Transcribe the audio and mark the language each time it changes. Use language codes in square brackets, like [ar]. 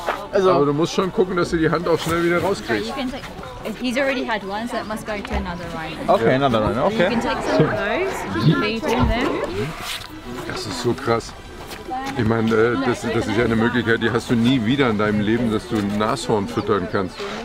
[de] Also, aber du musst schon gucken, dass du die Hand auch schnell wieder rauskriegst. [en] Okay, he's already had one, so it must go to another rhino. Okay, yeah. Another rhino. Okay. You can take some of those and feed them. [de] Das ist so krass. Ich meine, das ist ja eine Möglichkeit, die hast du nie wieder in deinem Leben, dass du ein Nashorn füttern kannst.